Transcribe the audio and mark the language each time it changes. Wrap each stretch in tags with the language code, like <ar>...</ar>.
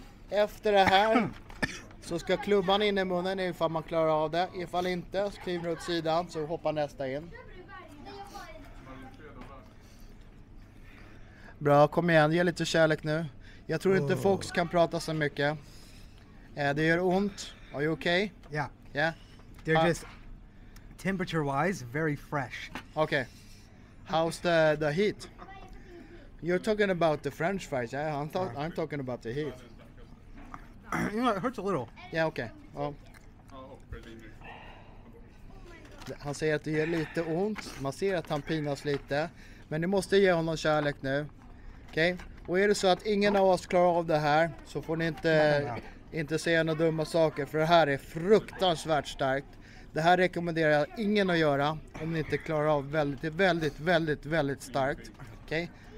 <sv>Efter det här så ska klubban in i munnen ifall man klarar av det. Ifall inte så kliver åt sidan så hoppar nästa in. Bra, kom igen. Ge lite kärlek nu. Jag tror inte Fox kan prata så mycket. Det gör ont.</sv> <en>Are you okay? Yeah. Yeah. They're just temperature wise very fresh. Okay. How's the heat? You're talking about the french fries. Yeah? I'm talking about the heat. You know, it hurts a little. Yeah, okay. Well,</en> <sv>Han säger att det gör lite ont. Man ser att han pinas lite. Men ni måste ge honom kärlek nu. Okej? Okay? Och är det så att ingen av oss klarar av det här så får ni inte, inte säga några dumma saker. För det här är fruktansvärt starkt. Det här rekommenderar jag ingen att göra om ni inte klarar av väldigt, väldigt, väldigt, väldigt starkt. Okej? Okay?</sv>